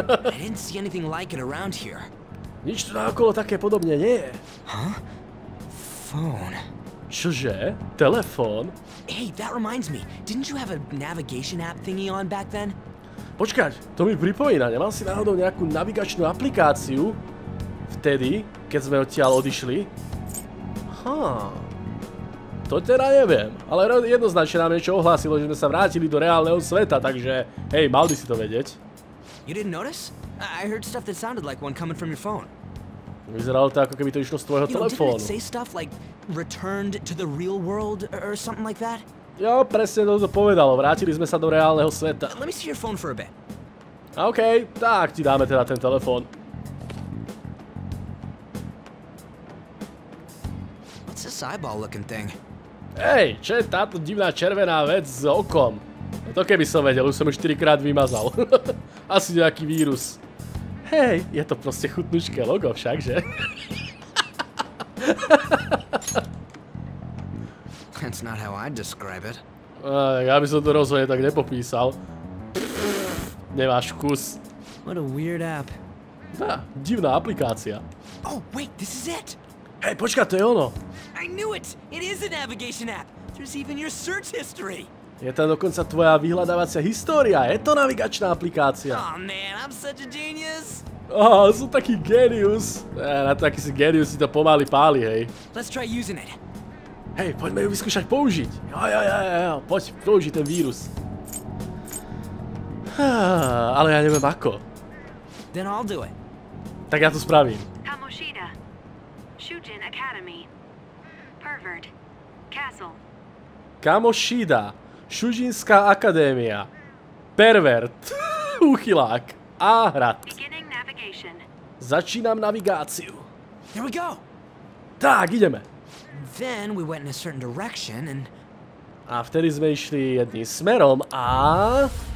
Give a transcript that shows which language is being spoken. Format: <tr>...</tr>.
<en>I didn't see anything like it around here.</en> <sk>Nič tu naokolo také podobne nie je.</sk> <en>Phone.</en> <sk>Čože? Telefón?</sk> <en>Hey, that reminds me. Didn't you have a navigation app thingy on back then?</en> <sk>Počkať, to mi pripomína. Nemal si náhodou nejakú navigačnú aplikáciu? Vtedy, keď sme odtiaľ odišli? to teda neviem. Ale jednoznačne nám niečo ohlásilo, že sme sa vrátili do reálneho sveta, takže hej, mal by si to vedieť.</sk> <en>You didn't notice? I heard stuff that sounded like one coming from your phone.</en> <sk>Vyzeralo to, ako keby to išlo z tvojho telefónu.</sk> <en>You know, didn't it say stuff like returned to the real world or something like that?</en> <sk>Jo, presne to povedalo. Vrátili sme sa do reálneho sveta.</sk> <en>Let me see your phone for a bit.</en> <sk>OK, tak ti dáme teda ten telefón.</sk> <en>What's this eyeball looking thing?</en> <sk>Hej, čo je táto divná červená vec s okom? To keby som vedel, už som ju 4 krát vymazal. Asi nejaký vírus. Hej, je to proste chutnučké logo však, že?</sk> <en>That's not how I'd describe it.</en> <sk>Ja by som to rozhodne tak nepopísal. Nemáš kus.</sk> <en>What a weird app.</en> <sk>Tá, divná aplikácia.</sk> <en>Oh, wait, this is it.</en> <sk>Hej, počka, to je ono.</sk> <en>I knew it. It is a navigation app. There's even your search history.</en> <sk>Je tam dokonca tvoja vyhľadávacia história. Je to navigačná aplikácia.</sk> <en>Oh man, I'm such a genius.</en> <sk>Oh, som taký genius. Na to, aký si genius, si to pomaly páli, hej.</sk> <en>Let's try using it.</en> <sk>Hej, poďme ju vyskúšať použiť. Jo, poď, použiť ten vírus. Ale ja neviem ako.</sk> <en>Then I'll do it.</en> <sk>Tak ja to spravím.</sk> <en>Tamoshida. Shujin Academy. Pervert. Castle.</en> <sk>Kamoshida. Shujinská akadémia. Pervert. Uchylák. Áhrad.</sk> <en>Beginning navigation.</en> <sk>Začínam navigáciu.</sk> <en>Here we go.</en> <sk>Tak, ideme.</sk> <en>Then we went in a certain direction and...</en> <sk>A vtedy sme išli jedným smerom a...</sk>